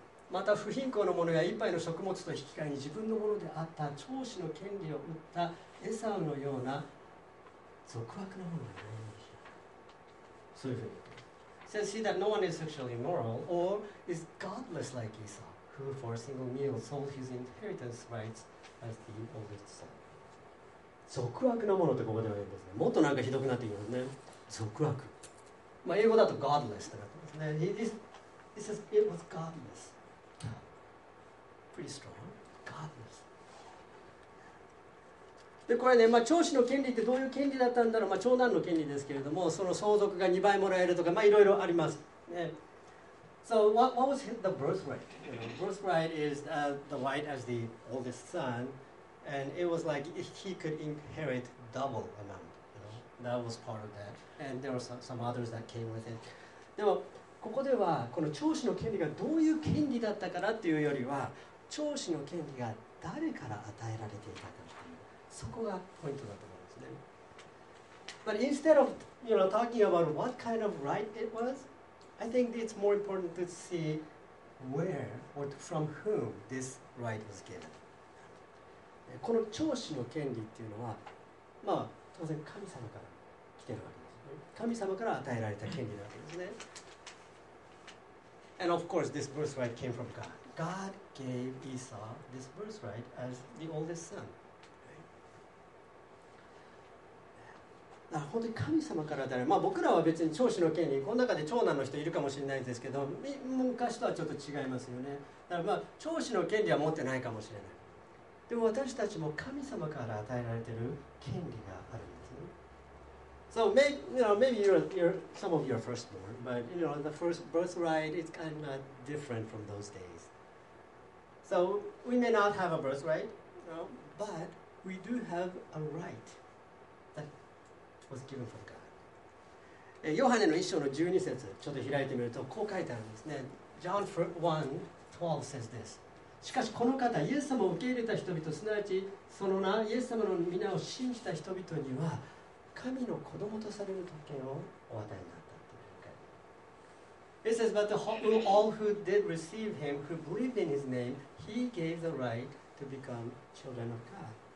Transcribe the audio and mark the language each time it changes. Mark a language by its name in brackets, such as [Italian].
[Japanese] また不貧困の者や一杯の食物と引き換えに自分のものであった長子の権利を売ったエサウのような俗悪なものがないんでしょう。そういうふうに。 [English] Says he that no one is sexually immoral or is godless like Esau, who for a single meal sold his inheritance rights as the oldest son. [Japanese] 俗悪なものってここでは言うんですね。もっとなんかひどくなってきますね。俗悪。まあ、英語だと godless ってなってますね。 [English] He says it was godless. pretty strong. Godless. [Japanese] でこれね、まあ、長子の権利ってどういう権利だったんだろう、まあ、長男の権利ですけれども、その相続が2倍もらえるとか、まあ、いろいろあります。 [English] ね、so what was the birthright? You know, birthright is the right as the oldest son, and it was like he could inherit double amount. You know? That was part of that. And there were some others that came with it. [Japanese] でもここではこの長子の権利がどういう権利だったかなっていうよりは、長子の権利が誰から与えられていたか。そこがポイントだと思うんですね。 [English] But instead of, you know, talking about what kind of right it was, I think it's more important to see where or from whom this right was given. [Japanese] この長子の権利っていうのは、まあ当然神様から来てるわけですね。神様から与えられた権利なわけですね。 [English] And of course, this birthright came from God. God gave Esau this birthright as the oldest son. [Japanese] だから本当に神様からだね。まあ僕らは別に長子の権利、この中で長男の人いるかもしれないですけど、昔とはちょっと違いますよね。だからまあ長子の権利は持ってないかもしれない。でも私たちも神様から与えられている権利があるんですね。 [English] So maybe you're some of your firstborn, but you know the first birthright is kind of different from those days. So we may not have a birthright, no, but we do have a right. Was given from God. [Japanese] ヨハネの1章の12節ちょっと開いてみるとこう書いてあるんですね。 [English] John 1:12 says this. [Japanese] しかしこの方、イエス様を受け入れた人々、すなわちその名、イエス様の皆を信じた人々には神の子供とされる特権をお与えになったという。 [English] It says, but to all who did receive him, who believed in his name, he gave the right to become children of God.